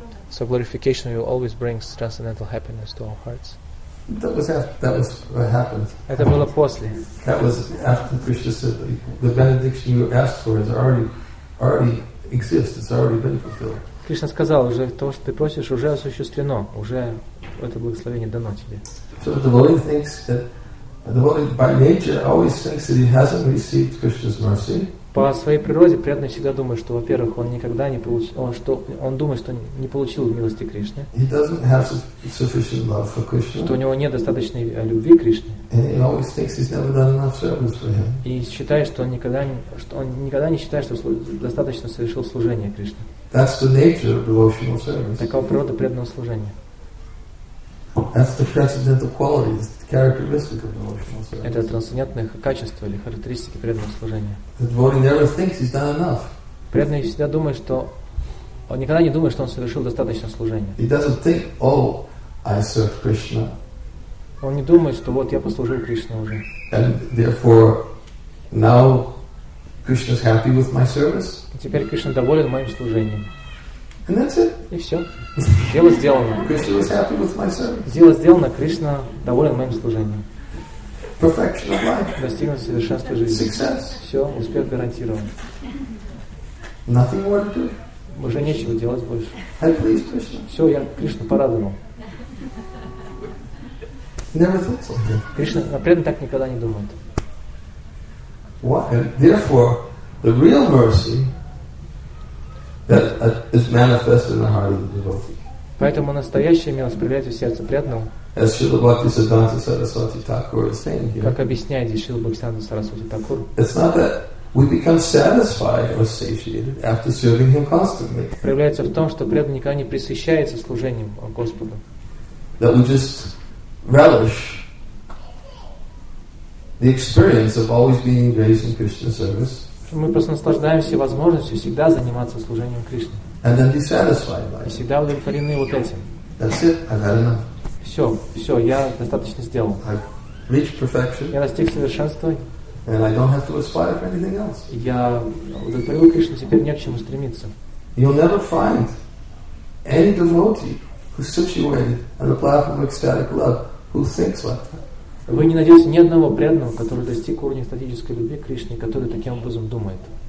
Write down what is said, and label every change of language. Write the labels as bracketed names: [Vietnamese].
[English] So glorification will always bring transcendental happiness to our hearts. That was what happened. [Russian] Это было после. [English] That was after Krishna said the benediction you asked for is already exists. It's already been fulfilled. [Russian] Кришна сказал уже то, что ты просишь, уже осуществлено, уже это благословение дано тебе. [English] So the devotee thinks that the devotee by nature always thinks that he hasn't received Krishna's mercy. [Russian] по своей природе преданный всегда думает, что, во-первых, он никогда не получил, он думает, что не получил милости Кришны. [English] He doesn't have sufficient love for Krishna. [Russian] Что у него нет достаточной любви к Кришне. [English] And he always thinks he's never done enough service for him. [Russian] И считает, что он никогда не считает, что достаточно совершил служение Кришне. [English] That's the nature of devotional service. [Russian] Такова природа преданного служения. [English] That's the transcendental qualities, the characteristic of devotional service. [Russian] Это трансцендентные качества или характеристики преданного служения. [English] The devotee never thinks he's done enough. [Russian] Преданный всегда думает, что он никогда не думает, что он совершил достаточно служения. [English] He doesn't think, oh, I served Krishna. [Russian] Он не думает, что вот я послужил Кришне уже. [English] And therefore, now Krishna's happy with my service. [Russian] Теперь Кришна доволен моим служением. [English] And that's it. [Russian] И все. Дело сделано. [English] Krishna was happy with my service. [Russian] Дело сделано. Кришна доволен моим служением. [English] Perfection of life. [Russian] Достигнуто совершенство жизни. [English] Success. [Russian] Все, успех гарантирован. [English] Nothing more to do. [Russian] Уже нечего делать больше. [English] I please Krishna. [Russian] Все, я Кришну порадовал. [English] Never thought so. Yeah. [Russian] Кришна напрямую так никогда не думает. [English] Why? Therefore, the real mercy that is manifest in the heart of the devotee. [Russian] Поэтому настоящая милость проявляется в сердце преданного. [English] As Śrīla Bhaktisiddhānta Sarasvati Thakur is saying here. [Russian] Как объясняет здесь Śrīla Bhaktisiddhānta Sarasvati Thakur. [English] It's not that we become satisfied or satiated after serving him constantly. [Russian] Проявляется в том, что преданный никогда не пресыщается служением Господу. [English] That we just relish the experience of always being engaged in Krishna service. [Russian] Мы просто наслаждаемся возможностью всегда заниматься служением Кришне. [English] And then be satisfied by [Russian] it. И всегда удовлетворены вот этим. [English] That's it. I've had enough. [Russian] Все, все, я достаточно сделал. [English] I've reached perfection. [Russian] Я достиг совершенства. [English] And I don't have to aspire for anything else. [Russian] Я удовлетворил Кришну, теперь не к чему стремиться. [English] You'll never find any devotee who's situated on the platform of ecstatic love who thinks like that. [Russian] Вы не найдете ни одного преданного, который достиг уровня экстатической любви к Кришне, который таким образом думает.